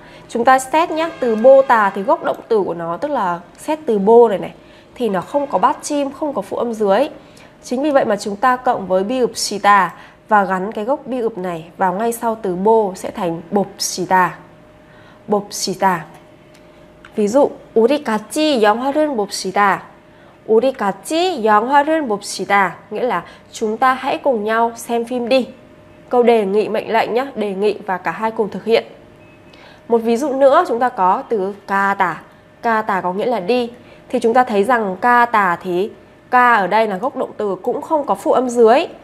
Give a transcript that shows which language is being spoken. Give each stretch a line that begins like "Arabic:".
Vietnamese: Chúng ta xét nhé, từ bô tà thì gốc động từ của nó, tức là xét từ bô này này, thì nó không có bát chim, không có phụ âm dưới. Chính vì vậy mà chúng ta cộng với bi ụp xì tà và gắn cái gốc bi ụp này vào ngay sau từ bô sẽ thành bộp xì tà. Bộp xì tà.
Korean: Ví dụ, 우리 같이 영화를 봅시다. 우리 같이 영화를 봅시다.
Vietnamese: Nghĩa là chúng ta hãy cùng nhau xem phim đi. Câu đề nghị mệnh lệnh nhé, đề nghị và cả hai cùng thực hiện. Một ví dụ nữa, chúng ta có từ ca tà. Ca tà có nghĩa là đi. Thì chúng ta thấy rằng ca tà thì ca ở đây là gốc động từ cũng không có phụ âm dưới.